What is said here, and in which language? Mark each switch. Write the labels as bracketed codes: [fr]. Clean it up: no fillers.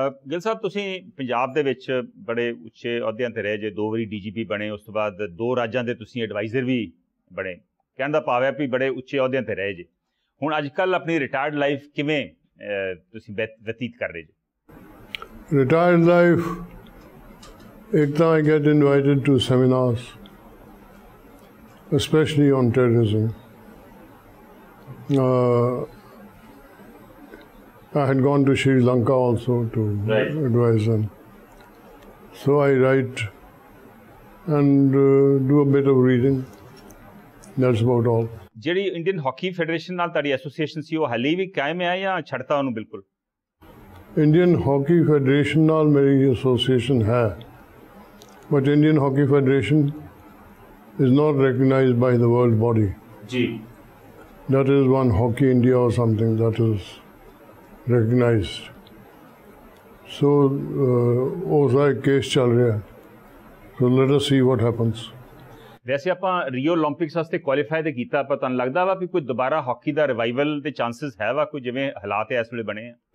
[pa] ਗਿੱਲ ਸਾਹਿਬ, ਤੁਸੀਂ ਪੰਜਾਬ ਦੇ ਵਿੱਚ ਬੜੇ ਉੱਚੇ ਅਹੁਦਿਆਂ 'ਤੇ ਰਹੇ ਜੇ, ਦੋ ਵਾਰੀ ਡੀ ਜੀ ਪੀ ਬਣੇ, ਉਸ ਤੋਂ ਬਾਅਦ ਦੋ ਰਾਜਾਂ ਦੇ ਤੁਸੀਂ ਐਡਵਾਈਜ਼ਰ ਵੀ ਬਣੇ, ਕਹਿਣ ਦਾ ਭਾਵ ਹੈ ਵੀ ਬੜੇ ਉੱਚੇ ਅਹੁਦਿਆਂ 'ਤੇ ਰਹੇ ਜੇ, ਹੁਣ ਅੱਜ ਕੱਲ੍ਹ ਆਪਣੀ ਰਿਟਾਇਰਡ ਲਾਈਫ ਕਿਵੇਂ ਤੁਸੀਂ ਬਤੀਤ ਕਰ ਰਹੇ ਜੇ? [en] retired life, [pa] ਇੱਕ ਤਾਂ [en] I get invited to seminars specially on terrorism. I had gone to Sri Lanka also to advise them. So I write and do a bit of reading. That's about all. [pa] ਜਿਹੜੀ Indian hockey federation ਨਾਲ ਤੁਹਾਡੀ association ਸੀ, ਉਹ ਹਾਲੇ ਵੀ ਕਾਇਮ ਹੈ ਜਾਂ ਛੱਡਤਾ ਉਹਨੂੰ ਬਿਲਕੁਲ? [en] Indian hockey federation [pa] ਨਾਲ ਮੇਰੀ ਐਸੋਸੀਏਸ਼ਨ ਹੈ, [en] But Indian hockey federation is not recognized by the world body ਜੀ। That is one hockey India or something that is recognized. So, [pa] ਉਹਦਾ ਕੇਸ ਚੱਲ ਰਿਹਾ, [en] so let us see what happens. [pa] ਵੈਸੇ ਆਪਾਂ Rio Olympics ਵਾਸਤੇ qualify ਤਾਂ ਕੀਤਾ, ਪਰ ਤੁਹਾਨੂੰ ਲੱਗਦਾ ਵਾ ਵੀ ਕੋਈ ਦੁਬਾਰਾ ਹਾਕੀ ਦਾ ਰਿਵਾਈਵਲ ਦੇ ਚਾਂਸਿਸ ਹੈ ਵਾ, ਕੋਈ ਜਿਵੇਂ ਹਾਲਾਤ ਇਸ ਵੇਲੇ ਬਣੇ ਆ?